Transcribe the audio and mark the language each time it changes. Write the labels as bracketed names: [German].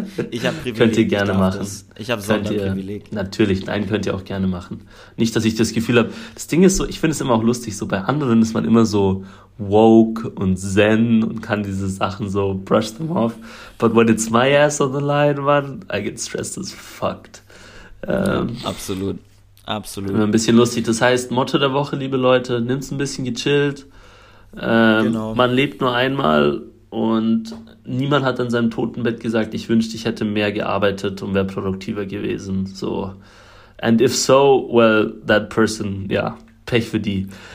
[German] Ich habe Privileg. Könnt ihr gerne machen. Das. Ich habe Sonderprivileg. Natürlich, nein, könnt ihr auch gerne machen. Nicht, dass ich das Gefühl habe. Das Ding ist so, ich finde es immer auch lustig, so bei anderen ist man immer so woke und zen und kann diese Sachen so [English] brush them off. But when it's my ass on the line, man, I get stressed as fucked. [German] Absolut. Absolut. Ein bisschen lustig. Das heißt, Motto der Woche, liebe Leute, nimm's ein bisschen gechillt. Genau. Man lebt nur einmal und niemand hat an seinem Totenbett gesagt, ich wünschte, ich hätte mehr gearbeitet und wäre produktiver gewesen. [English] So. And if so, well, that person, ja, [German] Pech für die.